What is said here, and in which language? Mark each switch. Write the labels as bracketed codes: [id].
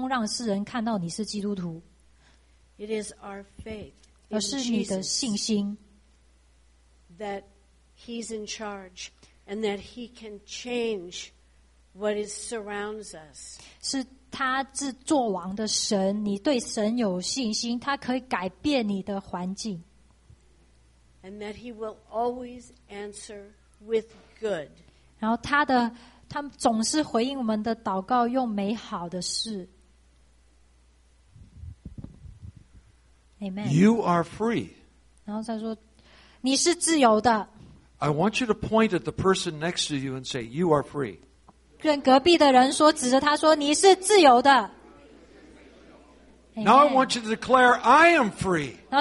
[zh] 不是你的环境让这个世界的人看到你是基督徒，不是因为你有车子、有房子、有你的健康，不是你很成功，让世人看到你是基督徒。 [en] It is our faith. [zh] 而是你的信心。 [en] That He's in charge and that He can change what is surrounds us. [zh] 他是作王的神, 你对神有信心, 他可以改变你的环境。 [en] And that He will always answer with good. [zh] 然后他的, 他总是回应我们的祷告, 用美好的事。 [en] Amen. You are free. [zh] 然后他说, 你是自由的。 [en] I want you to point at the person next to you and say, you are free. [zh] 跟隔壁的人说，指着他说：“你是自由的。” [en] Now I want you to declare, "I am free."